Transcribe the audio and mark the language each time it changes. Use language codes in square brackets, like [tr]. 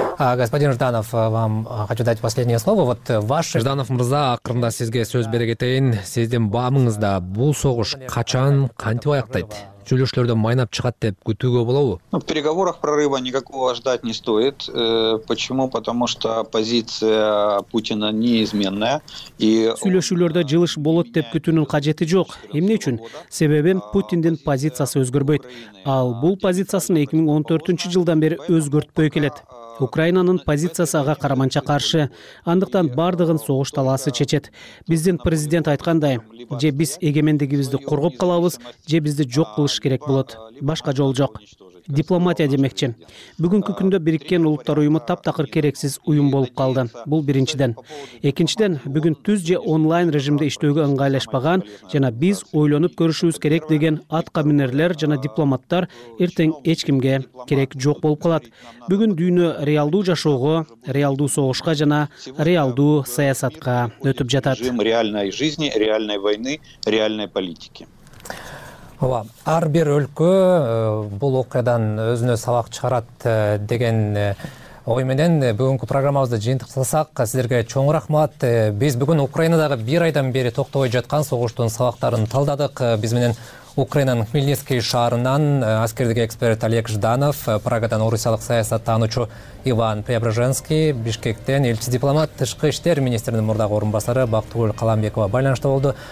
[ru] Господин Жданов, вам хочу дать последнее слово. Вот ваши... [ky] Жданов мырза, акырында сизге сөз бере кетейин. Сиздин баамыңызда бул согуш качан, кантип аяктайт? Сүйлөшүүлөрдөн майнап чыгат деп күтүүгө болобу? [ru] В переговорах прорыва никакого ждать не стоит. Почему? Потому что позиция Путина неизменная. [ky] Сүйлөшүүлөрдө жылыш болот деп күтүүнүн кажети жок. Эмне үчүн? Себеби Путиндин позициясы өзгөрбөйт. Ал бул позициясын 2014 жылдан бери өзгөртпөй келет. Украинанын позициясы ага караманча каршы. Андыктан бардыгын согуш талаасы чечет. Биздин президент айткандай, же биз эгемендигибизди коргоп калабыз, же бизди жок кылыш керек болот. Башка жол жок. Дипломатия демекчи. Бүгүнкү күндө Бириккен Улуттар Уюму таптакыр керексиз уюм болуп калды. Бул биринчиден. Экинчиден, бүгүн түз же онлайн режимде иштөөгө ыңгайлашпаган жана биз ойлонуп көрүшүбүз керек деген аткаминерлер жана дипломаттар эртең эч кимге керек жок болуп калат. Бүгүн дүйнө реалдуу жашоого, реалдуу согушка жана реалдуу саясатка өтүп жатат. [ru] Реальной жизни, реальной войны, реальной политики. [ky] Ооба, ар бир өлкө бул окуядан өзүнө сабак чыгарат деген ой менен бүгүнкү программабызды жыйынтыктасак, силерге чоң рахмат. Биз бүгүн Украинадагы бир айдан бери токтобой жаткан согуштун сабактарын талдадык. Биз менен Украинанын Хмельницкий шаарынан аскердик эксперт Олег Жданов, Прагадан орусиялык саясат таануучу Иван Преображенский, Бишкектен элчи дипломат, тышкы иштер министринин мурдагы орун басары Бактыгүл Каламбекова байланышта болду.